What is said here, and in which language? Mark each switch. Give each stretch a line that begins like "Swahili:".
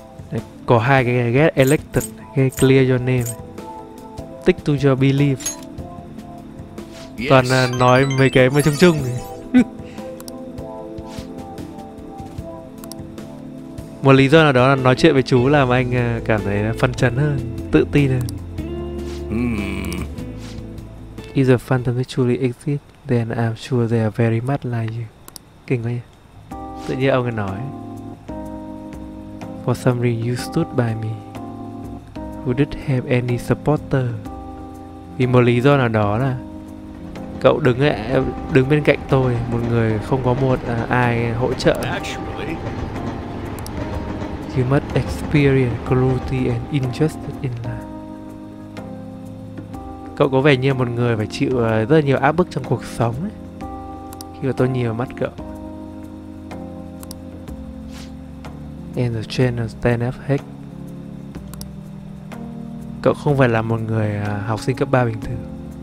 Vietnamese: Đấy, có hai cái
English: get elected, cái clear your name, stick to your belief.
Vietnamese: Toàn nói mấy cái mà chung chung. Một lý do nào đó là nói chuyện với chú làm anh cảm thấy phấn chấn hơn, tự tin hơn.
English: If the phantom truly exists, then I'm sure they are very much like you.
Vietnamese: Kinh quá nhỉ. Tự nhiên ông ấy nói.
English: For some reason you stood by me, who didn't have any supporter.
Vietnamese: Vì một lý do nào đó là cậu đứng bên cạnh tôi, một người không có một ai hỗ trợ.
English: Actually, you must experience cruelty and injustice in life.
Vietnamese: Cậu có vẻ như một người phải chịu rất là nhiều áp bức trong cuộc sống ấy, khi mà tôi nhìn vào mắt cậu.
English: And the channel stand up heck.
Vietnamese: Cậu không phải là một người học sinh cấp 3 bình thường.